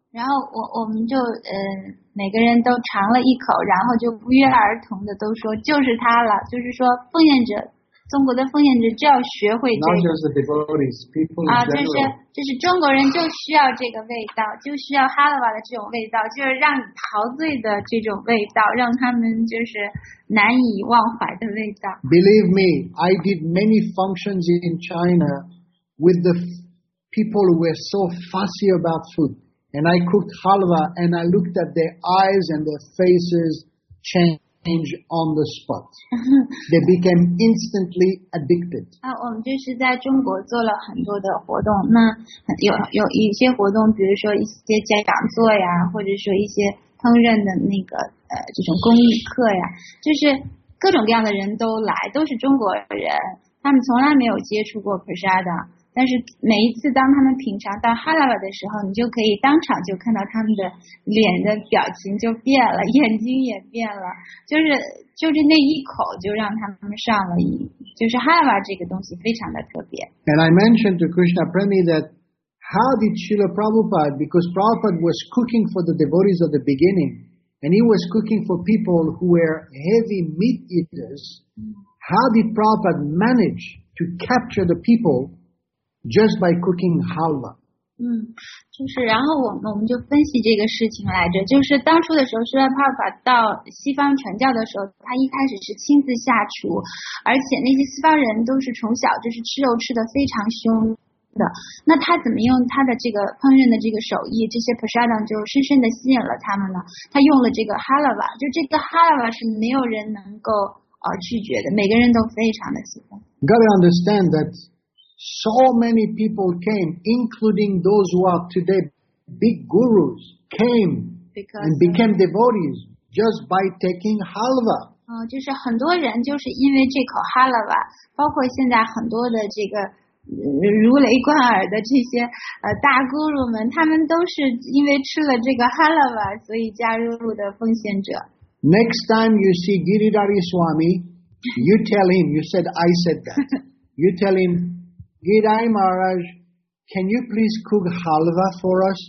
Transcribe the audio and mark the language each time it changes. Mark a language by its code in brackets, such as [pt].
[zh] 然后我们就每个人都尝了一口，然后就不约而同的都说就是它了。就是说奉献者，中国的奉献者就要学会这个。 [en] Not just the devotees, people in general. [zh] 就是中国人就需要这个味道，就需要halva的这种味道，就是让你陶醉的这种味道，让他们就是。难以忘怀的味道。 [en] Believe me, I did many functions in China with the people who were so fussy about food, and I cooked halva, and I looked at their eyes and their faces change on the spot. They became instantly addicted. [zh] 我们就是在中国做了很多的活动，那有一些活动，比如说一些讲座呀，或者说一些。烹饪的那个这种工艺课呀，就是各种各样的人都来，都是中国人，他们从来没有接触过 prasadam， 但是每一次当他们品尝到 halva 的时候，你就可以当场就看到他们的脸的表情就变了，眼睛也变了，就是那一口就让他们上了瘾，就是 halva 这个东西非常的特别。 [en] And I mentioned to Krishna Premi thatHow did Srila Prabhupada, because Prabhupada was cooking for the devotees at the beginning, and he was cooking for people who were heavy meat eaters, how did Prabhupada manage to capture the people just by cooking halva? [zh] 就是然后我们就分析这个事情来着，就是当初的时候释迦牟尼佛到西方传教的时候，他一开始是亲自下厨，而且那些西方人都是从小就是吃肉吃得非常凶的，那他怎么用他的这个烹饪的这个手艺，这些 prasadam 就深深地吸引了他们呢？他用了这个 halava， 就这个 halava 是没有人能够拒绝的，每个人都非常的喜欢。 [en] You gotta understand that so many people came, including those who are today big gurus, came and became devotees just by taking halava. [zh] 就是很多人就是因为这口 halava， 包括现在很多的这个如雷贯耳的这些大咕噜们，他们都是因为吃了这个 halava 所以加入的奉献者。 [en] Next time you see Giridhari Swami, you tell him, you said I said that. You tell him, Giridhari Maharaj, can you please cook halava for us?